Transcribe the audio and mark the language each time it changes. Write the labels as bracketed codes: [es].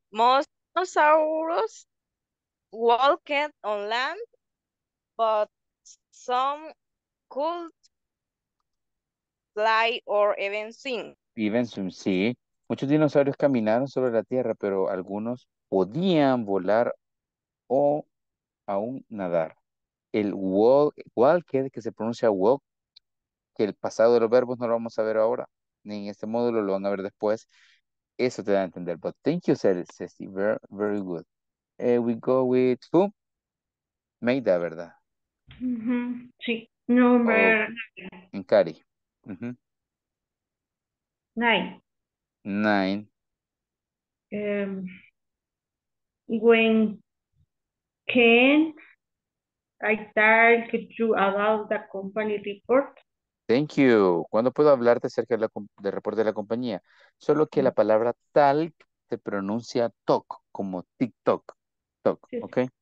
[en] Most dinosaurs walked on land, but some could fly or even swim. Even swim, sí. [es] Muchos dinosaurios caminaron sobre la tierra, pero algunos podían volar o aún nadar. El walked, que se pronuncia walk, que el pasado de los verbos no lo vamos a ver ahora, ni en este módulo, lo van a ver después. Eso te da a entender. [en] But thank you, Ceci. Very, very good. We go with who? Maida, ¿verdad? Mm-hmm. Sí. Number. And Cari. Mm-hmm. Nine. When can I talk to about the company report? Thank you. [es] ¿Cuándo puedo hablarte acerca del reporte de la compañía? Solo que la palabra tal se pronuncia talk, como TikTok. Talk, sí. ¿Ok?